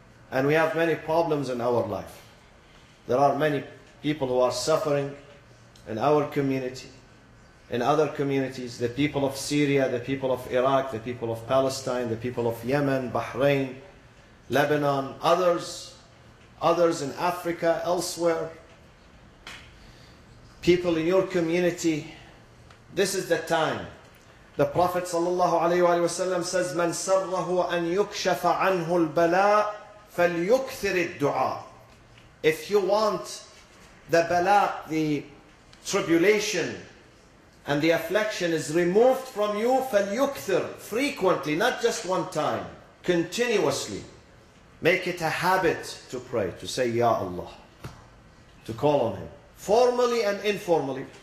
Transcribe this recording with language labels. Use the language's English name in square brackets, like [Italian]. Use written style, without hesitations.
[English] And we have many problems in our life. There are many people who are suffering in our community, in other communities, the people of Syria, the people of Iraq, the people of Palestine, the people of Yemen, Bahrain, Lebanon, others in Africa, elsewhere. People in your community, this is the time. The Prophet sallallahu alayhi wa sallam says, [Arabic] مَنْ سَرَّهُ أَنْ يُكْشَفَ عَنْهُ الْبَلَاءِ فَلْيُكْثِرِ الدُّعَاءِ. [English] If you want the bala, the tribulation and the affliction is removed from you, فَلْيُكْثِرِ, frequently, not just one time, continuously. Make it a habit to pray, to say, Ya Allah, to call on Him, formally and informally.